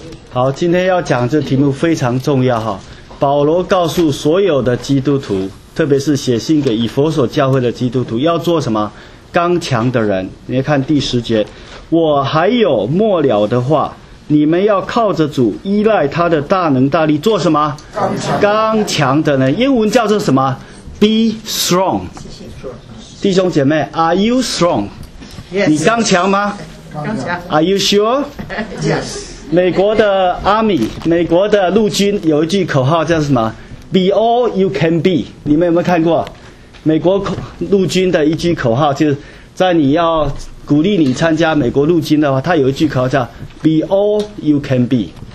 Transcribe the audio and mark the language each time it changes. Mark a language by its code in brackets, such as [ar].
[zh] 好，今天要讲这题目非常重要哈。保罗告诉所有的基督徒，特别是写信给以弗所教会的基督徒，要做什么？刚强的人。你来看第十节，我还有末了的话。你们要靠着主，依赖他的大能大力，做什么？刚强的人。英文叫做什么？ [en] Be strong。 [zh] 谢谢。弟兄姐妹， [en] Are you strong？ Yes。 [zh] 你刚强吗？刚强。 [en] Are you sure？ Yes。 [zh] 美国的 Army， 美国的陆军有一句口号叫什么？ [en] Be all you can be。 [zh] 你们有没有看过美国陆军的一句口号？就是在你要鼓励你参加美国陆军的话，他有一句口号叫 [en] Be all you can be。